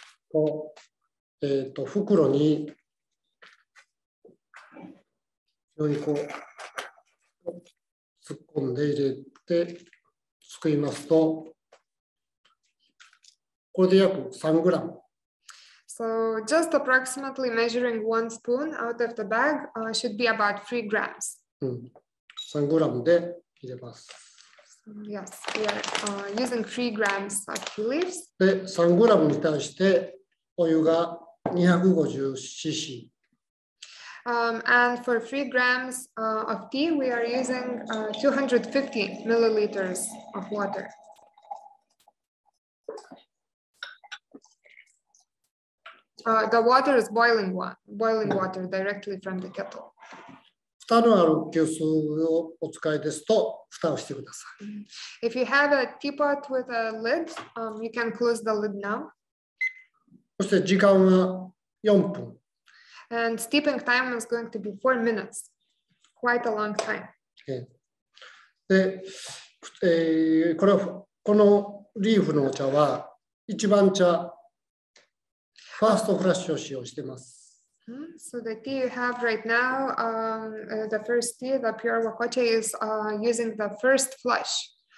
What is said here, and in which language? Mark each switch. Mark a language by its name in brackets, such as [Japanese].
[Japanese] こう、袋に、非常にこう、突っ込んで入れて、すくいますと、これで約3グラム。 [English] So just approximately measuring one spoon out of the bag should be about 3 grams. [Japanese] うん、3グラムで入れます。 [English] Yes, we are using 3 grams of tea leaves. [Japanese] で、3グラムに対してお湯が 250cc. [English] And for 3 grams of tea, we are using 250 milliliters of water. The water is boiling water directly from the kettle. [Japanese] 蓋のある急須をお使いですと蓋をしてください。 [English] If you have a teapot with a lid, you can close the lid now. [Japanese] そして時間は4分。 [English] And steeping time is going to be 4 minutes. Quite a long time. [Japanese] で、このリーフのお茶は一番茶、ファーストフラッシュを使用しています。 [English] So the tea you have right now, the first tea, the pure wakoche is using the first flush.